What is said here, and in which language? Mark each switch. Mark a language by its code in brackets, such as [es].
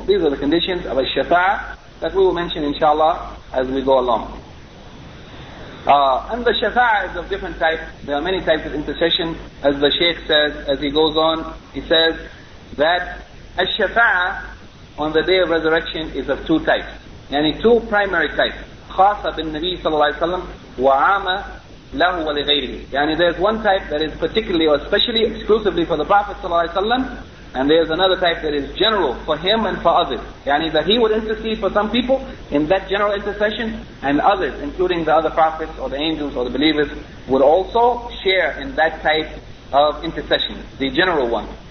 [en] These are the conditions of Ash-Shafa'ah that we will mention inshallah as we go along. And the Shafa'ah is of different types. There are many types of intercession. As the Shaykh says, as he goes on, he says that Ash-Shafa'ah on the day of resurrection is of two types. Yani two primary types. [ar] خاصه بالنبي صلى الله عليه وسلم وعامه له ولغيره. [en] Yani there's one type that is particularly or specially exclusively for the Prophet صلى الله عليه وسلم, and there's another type that is general for him and for others. Yani that he would intercede for some people in that general intercession, and others, including the other prophets or the angels or the believers, would also share in that type of intercession, the general one.